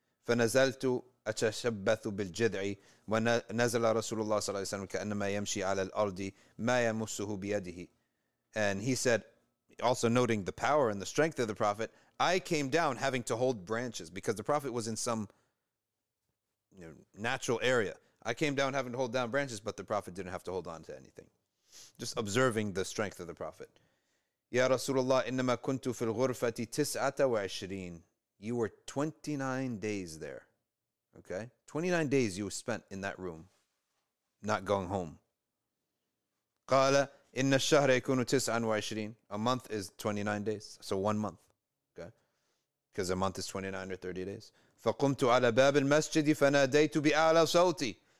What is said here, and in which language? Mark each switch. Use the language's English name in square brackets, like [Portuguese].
[Arabic] فَنَزَلْتُ أتشبث بالجذع ونزل رسول الله صلى الله عليه وسلم كأنما يمشي على الأرض ما يمسه بيده. [English] And he said, also noting the power and the strength of the Prophet, I came down having to hold branches, because the Prophet was in some natural area. I came down having to hold down branches, but the Prophet didn't have to hold on to anything. Just observing the strength of the Prophet. [Arabic] يا رسول الله إنما كنت في الغرفة 29. [English] You were 29 days there. Okay, 29 days you spent in that room, not going home. [Arabic] قَالَ إِنَّ الشَّهْرَ يَكُونُ 29. [English] A month is 29 days, so 1 month. Okay, because a month is 29 or 30 days. [Arabic] فَقُمْتُ عَلَى بَابِ الْمَسْجِدِ فَنَادَيْتُ بِأَعْلَى صَوْتِ.